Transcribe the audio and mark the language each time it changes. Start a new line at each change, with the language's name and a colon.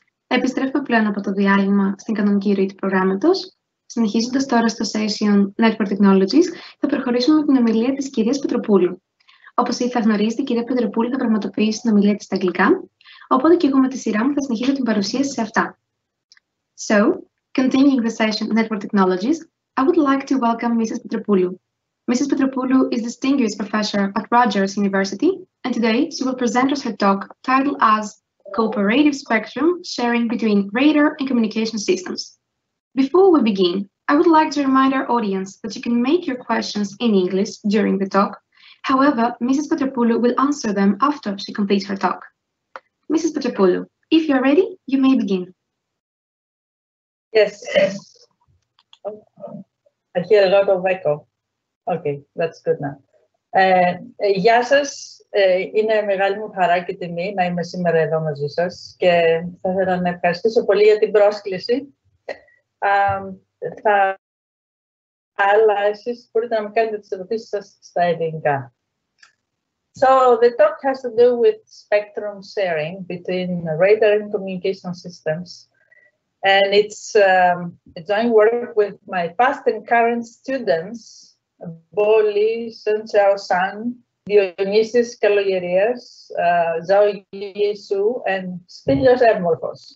Greek: Επιστρέφω πλέον από το διάλειμμα στην κανονική ροή του προγράμματος. Συνεχίζοντας τώρα στο session Network Technologies, θα προχωρήσουμε με την ομιλία της κυρίας Πετροπούλου. Όπως ήδη θα γνωρίζετε, η κυρία Πετροπούλου θα πραγματοποιήσει την ομιλία της στα αγγλικά, οπότε και εγώ με τη σειρά μου θα συνεχίσω την παρουσίαση σε αυτά.
English: So, continuing the session Network Technologies, I would like to welcome Mrs. Πετροπούλου. Mrs. Petropoulou is Distinguished Professor at Rogers University, and today she will present us her talk titled as Cooperative Spectrum Sharing Between Radar and Communication Systems. Before we begin, I would like to remind our audience that you can make your questions in English during the talk. However, Mrs. Petropoulou will answer them after she completes her talk. Mrs. Petropoulou, if you are ready, you may begin. Yes. I hear a lot of echo. Okay, that's good now.
Greek: Γεια σας. Είναι μεγάλη μου χαρά και τιμή να είμαι σήμερα εδώ μαζί σας και θα ήθελα να ευχαριστήσω πολύ για την πρόσκληση. Αλλά εσείς μπορείτε να μου κάνετε τις ερωτήσεις σας στα ελληνικά.
English: So, the talk has to do with spectrum sharing between radar and communication systems. And it's a joint work with my past and current students πόλεις, Σεντσαοσάν, Διονύσης Καλογερίας, Ζαο Ιησού, and Σπίλιος Εύμορφος.